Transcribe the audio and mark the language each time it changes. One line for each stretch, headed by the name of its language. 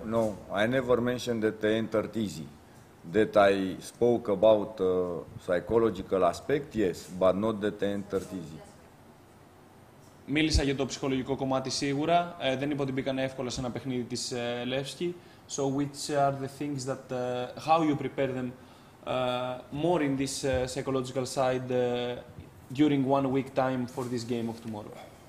English: No, no, I never mentioned that they entered easy. That I spoke about psychological aspect, yes, but not that they entered easy.
Greek: Μίλησα για το ψυχολογικό κομμάτι σίγουρα. Δεν είπα ότι μπήκανε εύκολα σε ένα παιχνίδι της Λεύσκη.
English: So which are the things that, how you prepare them more in this psychological side during 1 week time for this game of tomorrow?